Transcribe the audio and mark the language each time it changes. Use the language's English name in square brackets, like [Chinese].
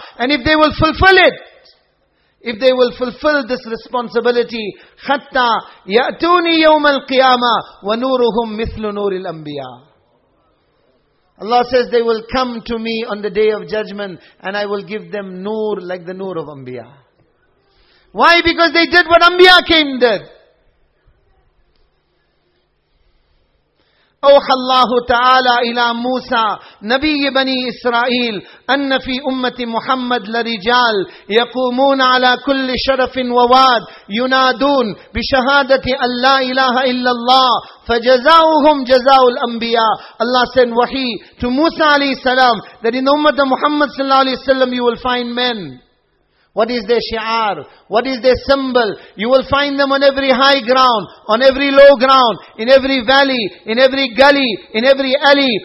[English] And if they will fulfill it, if they will fulfill this responsibility, hatta ya'tuni yawm al-qiyamah wa nuruhum mithlu nuril Anbiya. Allah says they will come to me on the day of judgment and I will give them nur like the nur of Anbiya. Why? Because they did what Anbiya came did. [Arabic] أوحى الله تعالى إلى موسى نبي بني إسرائيل أن في أمة محمد لرجال يقومون على كل شرف وواد ينادون بشهادة أن لا إله إلا الله فجزاؤهم جزاء الأنبياء. [English] الله send وحي to موسى عليه السلام that in the Ummah of Muhammad صلى الله عليه وسلم you will find men. What is their shi'ar? What is their symbol? You will find them on every high ground, on every low ground, in every valley, in every gully, in every alley.